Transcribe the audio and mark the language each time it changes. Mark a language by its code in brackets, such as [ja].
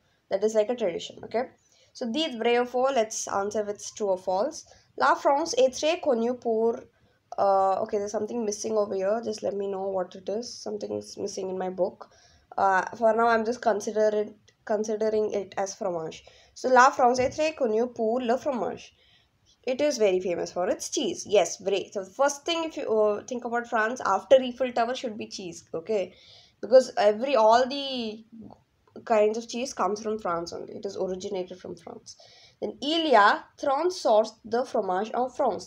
[en] That is like a tradition. Okay, so these [fr] vrai ou faux, [en] let's answer if it's true or false. [fr] La France est très connue pour [en] okay, there's something missing over here. Just let me know what it is. Something's missing in my book. For now I'm just considering it as fromage. [fr] So la France est très connue pour le fromage. [en] It is very famous for its cheese. Yes, vrai. So first thing if you think about France after Eiffel Tower should be cheese, okay? Because all the kinds of cheese comes from France only. It is originated from France. Then [fr] il y a 30 sorts de fromage en France.